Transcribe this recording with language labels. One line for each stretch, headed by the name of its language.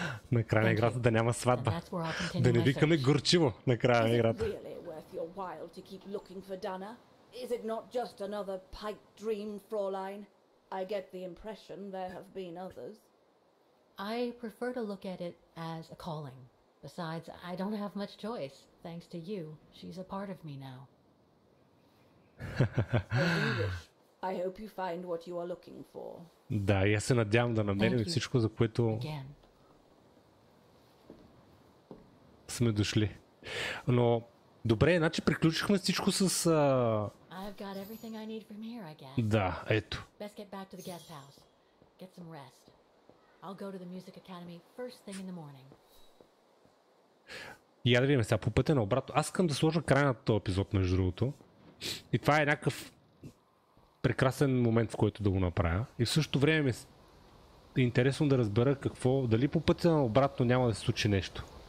Bulgarian: На края на играта да няма сватба. Да не викаме горчиво на края на играта.
English: Is it really worth your while to keep looking for Dana? Is it not just another pipe dream, Fraulein? I get the impression there have been others. I prefer to look at it as a calling. Besides, I don't have much choice. Thanks to you, she's a part of me now. I hope you find what you are looking for.
Bulgarian: Да, я се надявам да намерим всичко, за което сме дошли. Но добре, значи приключихме всичко с...
English: I've got everything I need from here, I guess.
Bulgarian: Да, ето.
English: Best get back to the guest house. Get some rest. I'll go to the music academy first thing in the morning.
Bulgarian: Я да видим сега по пътя на обратно. Аз искам да сложа край на този епизод, между другото. И това е някакъв прекрасен момент, в който да го направя. И в същото време ми е интересно да разбера какво, дали по пътя на обратно няма да се случи нещо.